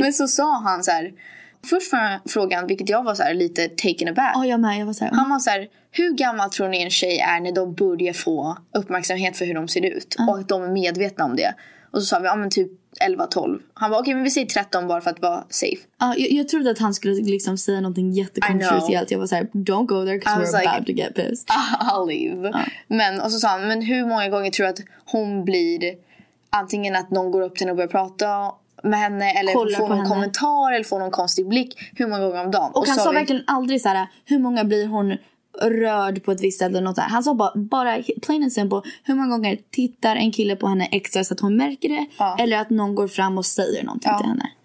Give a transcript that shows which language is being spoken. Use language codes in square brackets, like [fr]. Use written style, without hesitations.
[sv] Men så sa han så här, först för frågan, vilket jag var så här lite [en] taken aback. [sv] Oh, jag med, jag var så här, han var så här, hur gammal tror ni en tjej är när de börjar få uppmärksamhet för hur de ser ut och att de är medvetna om det? Och så sa vi, ja men typ 11-12. Han var okej, men vi säger 13 bara för att vara safe. Jag trodde att han skulle liksom säga någonting jättekontroversiellt. Jag var så här, [en] don't go there because we're like, about to get pissed. I'll leave. [sv] Men, och så sa han, men hur många gånger tror du att hon blir antingen att någon går upp till henne och börjar prata med henne eller kolla får någon kommentar eller får någon konstig blick, hur många gånger om dagen? Och han sa verkligen aldrig så här, hur många blir hon rörd på ett visst eller något där. Han sa bara [en] plain and simple, [sv] hur många gånger tittar en kille på henne extra så att hon märker det, eller att någon går fram och säger någonting till henne.